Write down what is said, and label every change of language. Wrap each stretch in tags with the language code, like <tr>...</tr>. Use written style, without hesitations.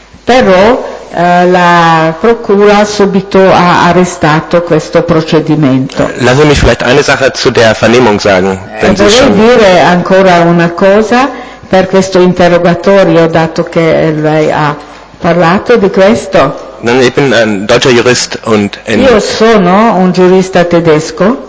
<it>Però la procura subito ha arrestato questo procedimento.</it> <de>Lassen Sie mich vielleicht eine Sache zu der Vernehmung sagen, wenn Sie schon.</de> <it>Vorrei dire ancora una cosa per questo interrogatorio, dato che lei ha parlato di questo.</it> <de>Nein, ich bin ein deutscher Jurist und in.</de> <it>Io sono un giurista tedesco.</it>